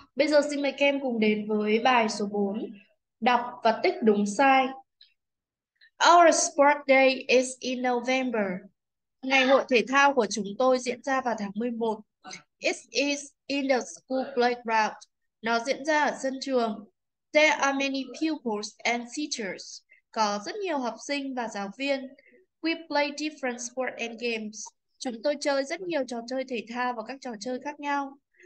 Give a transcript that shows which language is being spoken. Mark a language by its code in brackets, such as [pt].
[vi] Bây giờ xin mời các em cùng đến với bài số 4. Đọc và tích đúng sai. [en] Our sport day is in November. [vi] Ngày hội thể thao của chúng tôi diễn ra vào tháng 11. [en] It is in the school playground. [vi] Nó diễn ra ở sân trường. [en] There are many pupils and teachers. [vi] Có rất nhiều học sinh và giáo viên. [en] We play different sports and games. [vi] Chúng tôi chơi rất nhiều trò chơi thể thao và các trò chơi khác nhau.